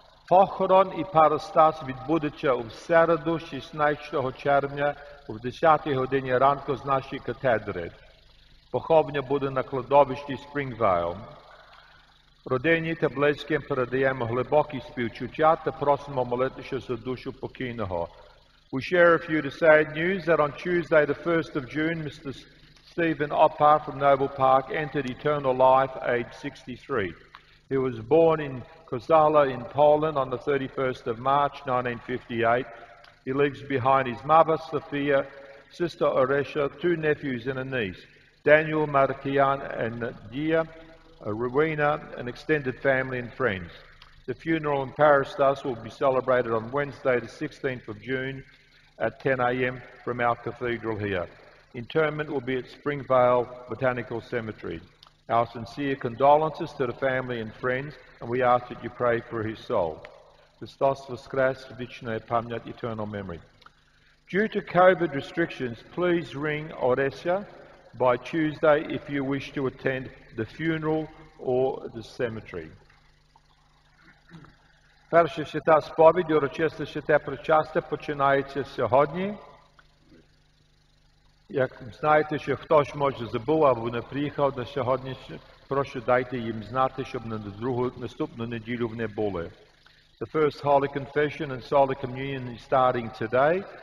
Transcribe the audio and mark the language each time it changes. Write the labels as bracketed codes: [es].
[uk] Похорон і парастас відбудеться у середу 16 червня о 10-й годині ранку з нашої катедри. Поховання буде на кладовищі Спрінгвайл. Родині та близьким передаємо глибокі співчуття та просимо молитися за душу покійного. [en] We share a few sad news that on Tuesday the 1st of June, Mr. Stephen Opar from Noble Park entered eternal life, age 63. He was born in Kozala in Poland on the 31st of March, 1958. He leaves behind his mother, Sophia, sister, Orisha, two nephews and a niece, Daniel, Markian and Dia, a Rowena, an extended family and friends. The funeral in Parastas will be celebrated on Wednesday the 16th of June at 10 a.m. from our cathedral here. Interment will be at Springvale Botanical Cemetery. Our sincere condolences to the family and friends, and we ask that you pray for his soul. [uk] Christos Voskres, Vichnaya Pamyat, [en] eternal memory. Due to COVID restrictions, please ring Orisha by Tuesday if you wish to attend the funeral or the cemetery. [uk] Перша свята сповідь, урочисте святе причастя, починається сьогодні. Як знаєте, що хтось може забув або не приїхав на сьогодні, прошу дайте їм знати, щоб на другу наступну неділю вони були. [en] The first Holy Confession and Solemn Communion is starting today.